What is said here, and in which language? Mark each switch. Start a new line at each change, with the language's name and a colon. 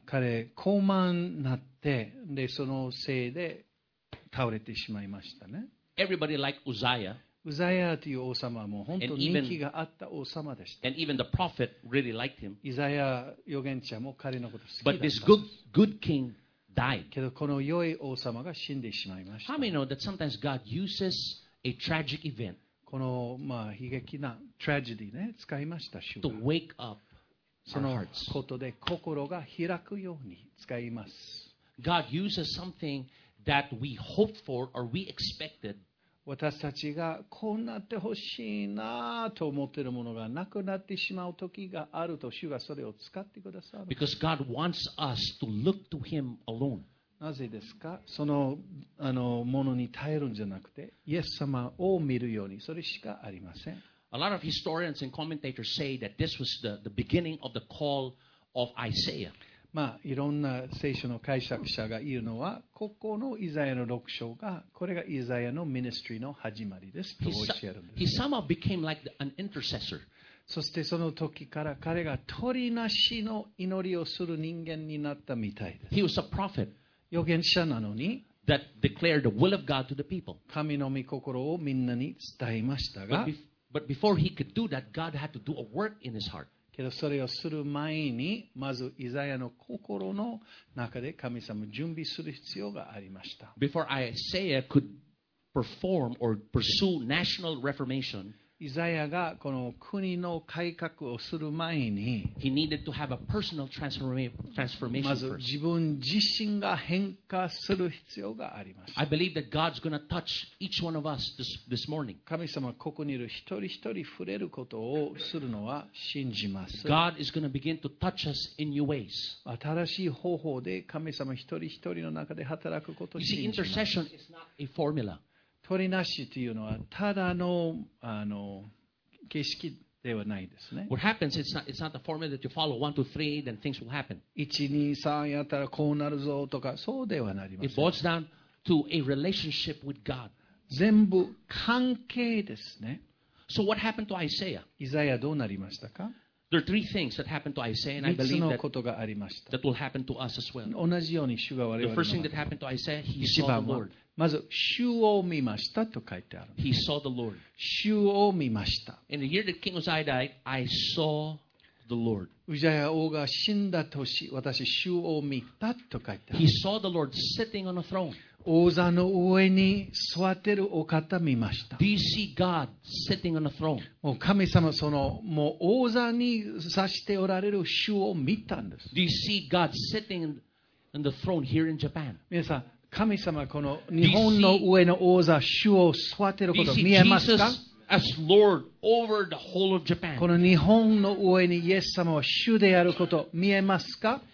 Japanese: 彼傲慢になって、でそのせいで倒れてしまいましたね。
English: Everybody liked Uzziah.
Japanese: Uzziah という王様も本当に人気があった王様でした。
English: And even the prophet really liked him.
Japanese: イザヤ預言者も彼のこと好きだった。
English: But this good king. Died.
Japanese: けどこの良い王様が死んでしまいました。
English: How many know that sometimes God uses a tragic event?
Japanese: このまあ悲劇なtragedy ね、使いました主が。
English: To wake up our hearts.
Japanese: そのことで心が開くように使います。
English: God uses something that we hope for or we expected.
Japanese: 私たちがこうなってほしいなと思っているものがなくなってしまう時があると主がそれを使ってくださる。
English: Because God wants us to look to Him alone.
Japanese: なぜですか？その、あのものに頼るんじゃなくて、イエス様を見るように、それしかありません。
English: A lot of historians and commentators say that this was the beginning of the call of Isaiah.
Japanese: まあ、いろんな聖書の解釈者が言うのは、ここのイザヤの6章が、これがイザヤのミニストリーの始まりですと教えるんです。
English: He somehow became like an intercessor.
Japanese: そしてその時から彼が取りなしの祈りをする人間になったみたいです。
English: He was a prophet.
Japanese: 預言者なのに、
English: that declared the will of God to the people.
Japanese: 神の御心をみんなに伝えましたが、
English: but before he could do that, God had to do a work in his heart.
Japanese: けどそれをする前に、まずイザヤの心の中で神様を準備する必要がありました。
English: Before Isaiah could perform or pursue national reformation,
Japanese: イザヤがこの国の改革をする前に、
English: he needed to have a personal transformation
Japanese: first. まず自分自身が変化する必要がありました。
English: I believe that God's going to touch each one of us this morning.
Japanese: 神様ここにいる一人一人触れることをするのは信じます。
English: God is going to begin to touch us in new ways.
Japanese: 新しい方法で神様一人一人の中で働くことを信じます。
English: You see, intercession is not a formula.
Japanese: 取りなしというのはただ の形式ではないですね。
English: What happens? It's not the formula that you follow 1, 2, 3, then things will happen.
Japanese: 1, 2, 3やったらこうなるぞとかそうではなりません。
English: It boils down to a relationship with God.
Japanese: 全部関係ですね。
English: So what happened to Isaiah?
Japanese: イザヤどうなりましたか？
English: There are 3 things that happened to Isaiah, and I believe that.
Japanese: 3つのことがありました。
English: That will happen to us as well.
Japanese: 同じように主が我々に。
English: The first thing that happened to Isaiah, he saw the Lord.
Japanese: まず主を見ましたと書いてある。
English: He saw the Lord.
Japanese: 主を見ました。
English: In the year that King Uzziah died, I saw the Lord.
Japanese: ウザヤ王が死んだ年、私主を見たと書いてある。
English: He saw the Lord sitting on a throne.
Japanese: 王座の上に座ってるお方見ました。
English: Do you see God sitting on a throne?
Japanese: もう神様そのもう王座に座しておられる主を見たんです。
English: Do you see God sitting on the throne here in Japan?
Japanese: 皆さん。神様この日本の上の王座主を座っていることを見えますか？
English: Jesus as Lord over the whole of Japan.
Japanese: この日本の上にイエス様は主であること見えますか?